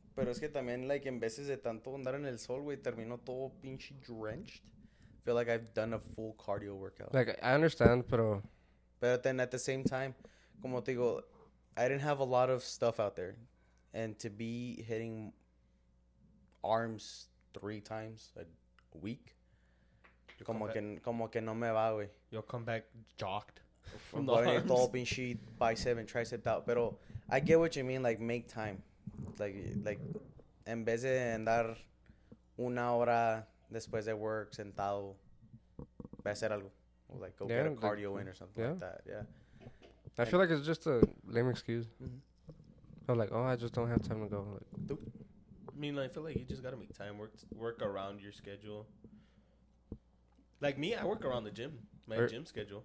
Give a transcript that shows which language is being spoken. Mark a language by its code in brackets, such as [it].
[es] Pero es que también, like, en veces de tanto andar en el sol, güey, termino todo pinche drenched. [en] Feel like I've done a full cardio workout. Like, I understand, pero. But then at the same time, [es] como te digo, [en] I didn't have a lot of stuff out there. And to be hitting arms 3 times a week. [es] Como que no me va, güey. [en] You'll come back jocked. From the arms. [es] Todo pinche [en] bicep and tricep out. Pero I get what you mean. Like, make time. [es] Like, en vez de andar una hora después de work sentado, va a hacer algo. [en] Like, go get a cardio in or something like that. Yeah. I feel like it's just a lame excuse. Mm-hmm. I'm like, oh, I just don't have time to go. Like, I mean, I feel like you just got to make time. Work around your schedule. Like me, I work around the gym, gym schedule.